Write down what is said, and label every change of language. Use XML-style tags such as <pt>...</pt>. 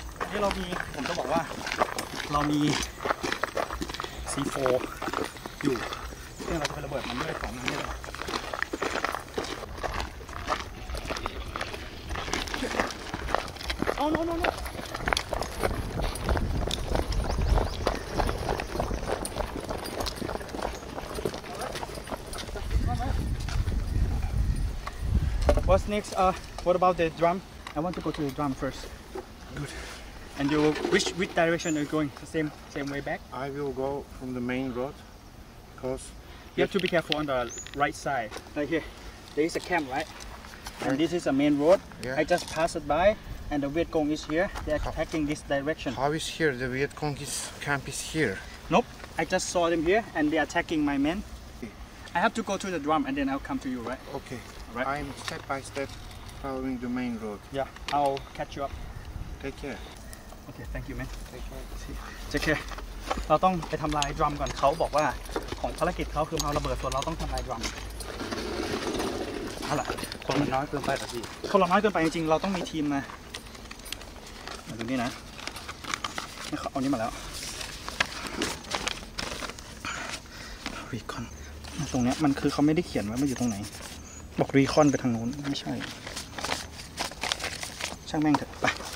<th>ๆที่เรามีผมจะบอกว่าเรามี C4 อยู่ซึ่งเราจะไประเบิดมันด้วยของนั้นนี่แหละ</th> <en>No. What's next? What about the drum? I want to go to the drum first. Good. And you, which direction are you going? The same way back? I will go from the main road, because you have to be careful on the right side. Right here, there is a camp, right? And this is a main road. Yeah. I just passed by. And the Viet Cong is here. They are attacking this direction. How is here? The Viet Cong is camp is here. Nope. I just saw them here, and they are attacking my men. Okay. I have to go to the drum, and then I'll come to you, right? Okay. Right. I'm step by step following the main road. Yeah. I'll catch you up. Take care. Okay. Thank you, man. Take care. See. Take care.</en> <th>เราต้องไปทำลายดรัมก่อนเขาบอกว่าของภารกิจเขาคือเอาระเบิดส่วนเราต้องทำลายดรัม คนมันน้อยเกินไปหรอพี่คนเราน้อยเกินไปจริงๆเราต้องมีทีมนะมาดูนี่นะนี่เขาเอานี้มาแล้ววีคอนตรงเนี้ยมันคือเขาไม่ได้เขียนไว้มันอยู่ตรงไหนบอกวีคอนไปทางโน้นไม่ใช่ช่างแม่งเถอะไป</th>